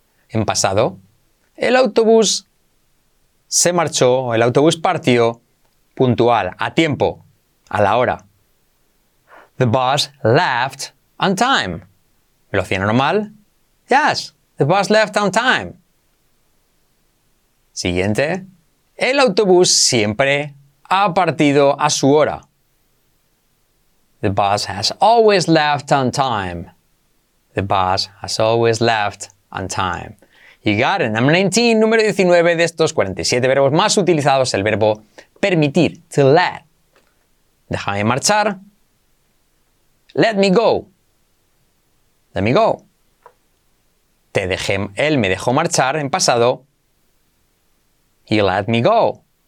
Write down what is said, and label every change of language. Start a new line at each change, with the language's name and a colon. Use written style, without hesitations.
Spanish: En pasado, el autobús se marchó, el autobús partió puntual, a tiempo, a la hora.
English: The bus left on time.
Spanish: Velocidad normal.
English: Yes, the bus left on time.
Spanish: Siguiente. El autobús siempre ha partido a su hora.
English: The bus has always left on time. The bus has always left on time. You got it.
Spanish: Number 19, número 19 de estos 47 verbos más utilizados, el verbo permitir, to let. Déjame marchar.
English: Let me go. Let me go.
Spanish: Te dejé, él me dejó marchar en pasado.
English: He let me go.